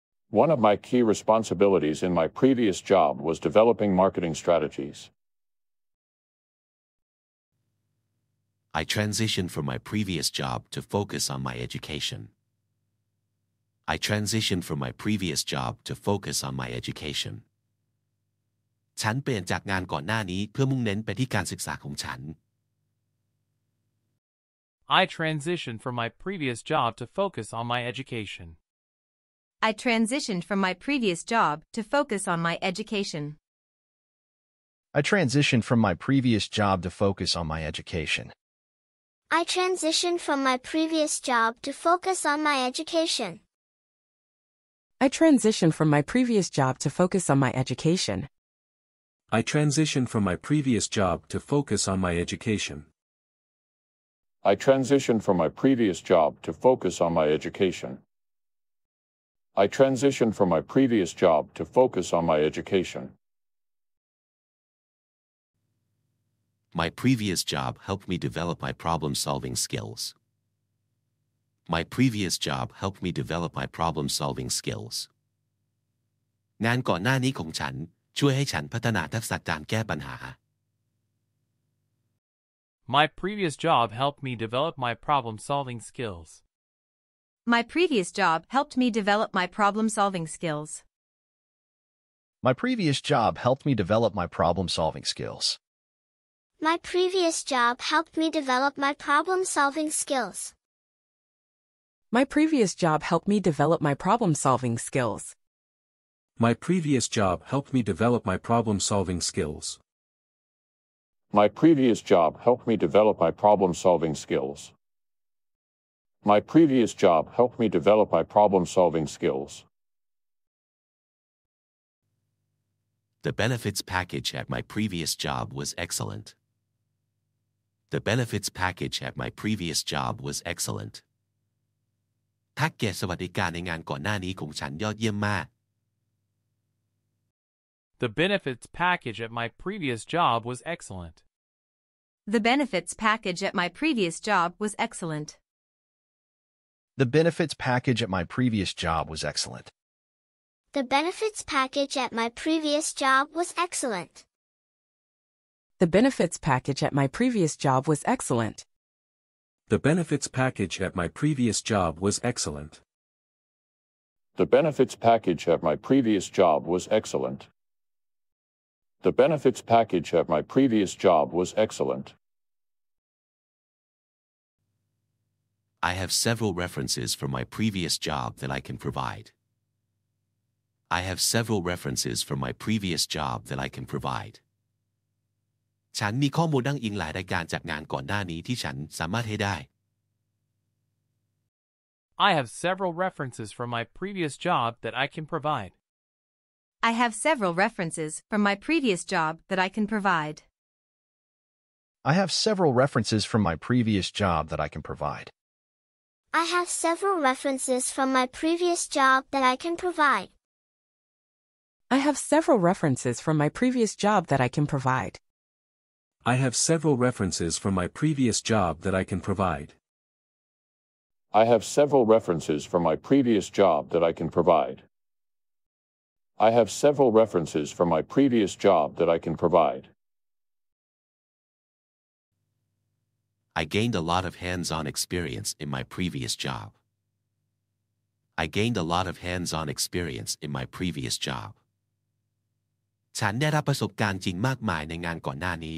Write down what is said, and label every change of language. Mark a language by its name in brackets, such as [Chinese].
[English] One of my key responsibilities in my previous job was developing marketing strategies. I transitioned from my previous job to focus on my education. I transitioned from my previous job to focus on my education. [Thai] ฉันเปลี่ยนจากงานก่อนหน้านี้เพื่อมุ่งเน้นไปที่การศึกษาของฉัน [English] I transitioned from my previous job to focus on my education. I transitioned from my previous job to focus on my education. I transitioned from my previous job to focus on my education. I transitioned from my previous job to focus on my education. I transitioned from my previous job to focus on my education. I transitioned from my previous job to focus on my education. I transitioned from my previous job to focus on my education. I transitioned from my previous job to focus on my education. My previous job helped me develop my problem-solving skills. My previous job helped me develop my problem-solving skills. [Thai] งานก่อนหน้านี้ของฉันช่วยให้ฉันพัฒนาทักษะการแก้ปัญหา [English] My previous job helped me develop my problem-solving skills. My previous job helped me develop my problem-solving skills. My previous job helped me develop my problem-solving skills. My previous job helped me develop my problem-solving skills. My previous job helped me develop my problem-solving skills. My previous job helped me develop my problem-solving skills. My previous job helped me develop my problem-solving skills. My previous job helped me develop my problem-solving skills. The benefits package at my previous job was excellent. The benefits package at my previous job was excellent. [Thai] แพ็กเกจสวัสดิการในงานก่อนหน้านี้ของฉันยอดเยี่ยมมาก [English] The benefits package at my previous job was excellent. The benefits package at my previous job was excellent. The benefits package at my previous job was excellent. The benefits package at my previous job was excellent. The benefits package at my previous job was excellent. The benefits package at my previous job was excellent. The benefits package at my previous job was excellent. The benefits package at my previous job was excellent. I have several references from my previous job that I can provide. I have several references from my previous job that I can provide. [Thai] ฉันมีข้อมูลอ้างอิงหลายรายการจากงานก่อนหน้านี้ที่ฉันสามารถให้ได้ [English] I have several references from my previous job that I can provide. I have several references from my previous job that I can provide. I have several references from my previous job that I can provide. I have several references from my previous job that I can provide. I have several references from my previous job that I can provide. I have several references from my previous job that I can provide. I have several references from my previous job that I can provide. I have several references from my previous job that I can provide. I gained a lot of hands-on experience in my previous job. I gained a lot of hands-on experience in my previous job. [Thai] ฉันได้รับประสบการณ์จริงมากมายในงานก่อนหน้านี